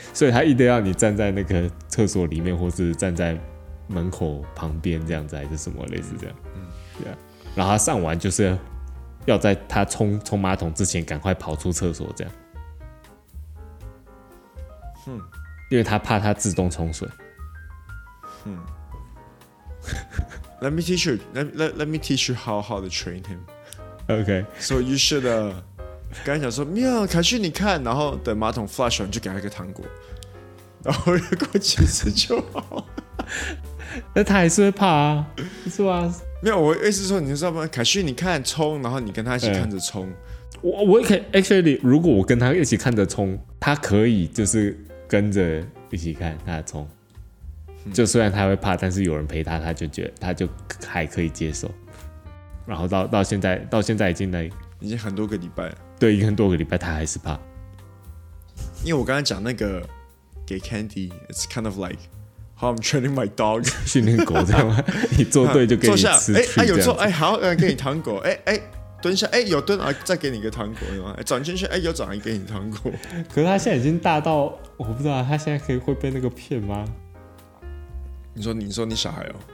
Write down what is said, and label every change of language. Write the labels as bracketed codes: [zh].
[zh] 所以他一定要你站在那个厕所里面，或是站在门口旁边这样子，还是什么类似这样、yeah. 然后他上完就是要在他冲马桶之前赶快跑出厕所这样、因为他怕他自动冲水、 [en] Let me teach you how to train him. OK, so you should [zh] 刚才讲说没有凯旭你看，然后等马桶 flush 完就给他一个糖果，然后又过几次就好。那他还是会怕啊，是吧？没有，我意思是说你知道吗，凯旭你看冲，然后你跟他一起看着冲、我可以 actually 如果我跟他一起看着冲，他可以就是跟着一起看他的冲，就虽然他会怕，但是有人陪他，他就觉得他就还可以接受。然后到现在已经很多个礼拜了，对，已经很多个礼拜，他还是怕。因为我刚才讲那个给 candy， [en] it's kind of like how I'm training my dog， [zh] 训练狗这样吗？你做对就给你吃，哎、啊，有做，哎、欸，好，给你糖果，哎、欸、哎、蹲下，哎，有蹲啊，再给你一个糖果，有吗？转进去，哎，有转，给你糖果。可是他现在已经大到，我不知道他现在可以会被那个骗吗？你说你小孩哦？